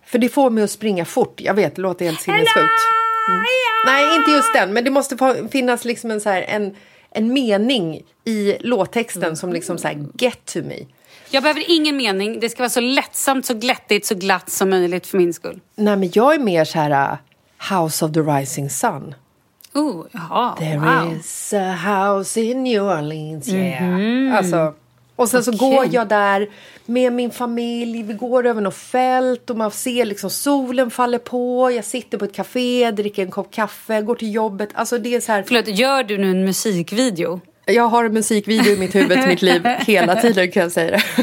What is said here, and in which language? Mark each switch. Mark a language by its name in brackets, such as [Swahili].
[Swedish] För det får mig att springa fort. Jag vet, det låter helt sinnessjukt. Nej, inte just den, men det måste finnas liksom en så här en mening i låttexten som liksom så här [English] get to me. [Swedish] Jag behöver ingen mening. Det ska vara så lättsamt, så glättigt, så glatt som möjligt för min skull. Nej, men jag är mer så här House of the Rising Sun. Oh, jaha. [English] There wow. is a house in New Orleans, yeah. Mm-hmm. [Swedish] Alltså, och sen så går jag där med min familj. Vi går över något fält och man ser liksom solen faller på. Jag sitter på ett café, dricker en kopp kaffe, går till jobbet. Alltså, det är så här... Förlåt, gör du nu en musikvideo? Jag har en musikvideo i mitt huvud till mitt liv hela tiden, kan jag säga det.